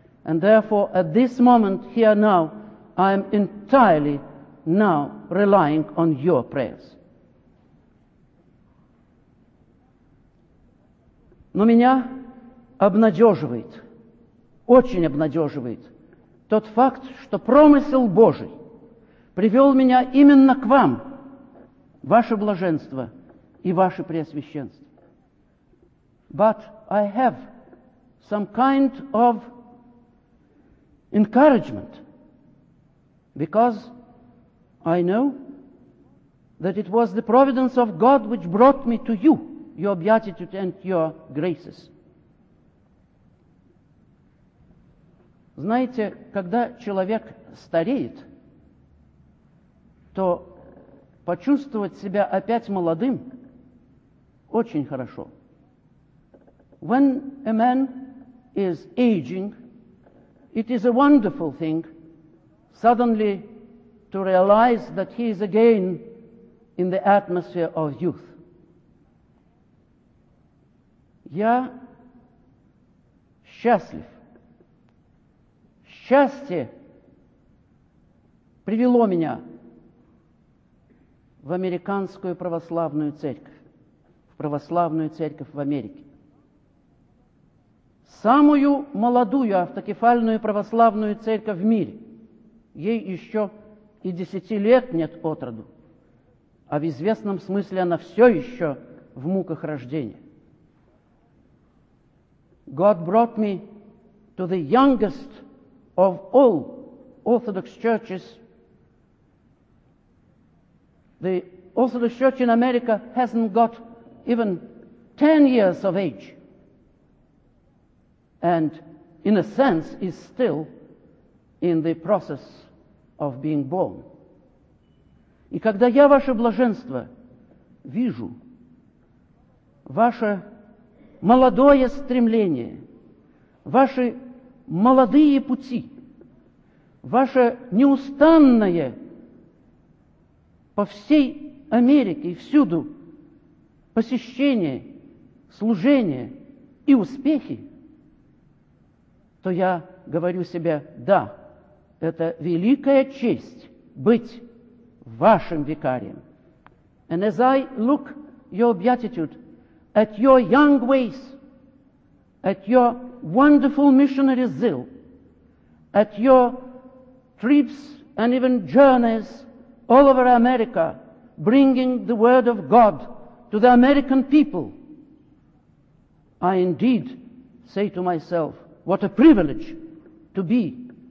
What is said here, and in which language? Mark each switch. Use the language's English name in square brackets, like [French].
[English] And therefore, at this moment, here now, I am entirely now relying on your prayers. [Russian] Но меня обнадеживает, очень обнадеживает тот факт, что промысел Божий привел меня именно к вам, ваше блаженство и ваше преосвященство. [English] But I have some kind of encouragement, because I know that it was the providence of God which brought me to you, your beatitude and your graces. [Russian] Знаете, когда человек стареет, то почувствовать себя опять молодым очень хорошо. [English] When a man is aging, it is a wonderful thing suddenly to realize that he is again in the atmosphere of youth. [Russian] Я счастлив. Счастье привело меня в американскую православную церковь, в православную церковь в Америке. Самую молодую автокефальную православную церковь в мире. Ей еще и 10 лет нет от роду, а в известном смысле она все еще в муках рождения. [English] God brought me to the youngest of all Orthodox churches. The Orthodox Church in America hasn't got even 10 years of age, and in a sense is still in the process of being born. [Russian] И когда я, ваше блаженство, вижу ваше молодое стремление, ваши молодые пути, ваше неустанное по всей Америке и всюду посещение, служение и успехи, то я говорю себе, да, это великая честь быть вашим викарием. [English] And as I look your beatitude at your young ways, at your wonderful missionary zeal, at your trips and even journeys all over America, bringing the word of God to the American people, I indeed say to myself, what a privilege to be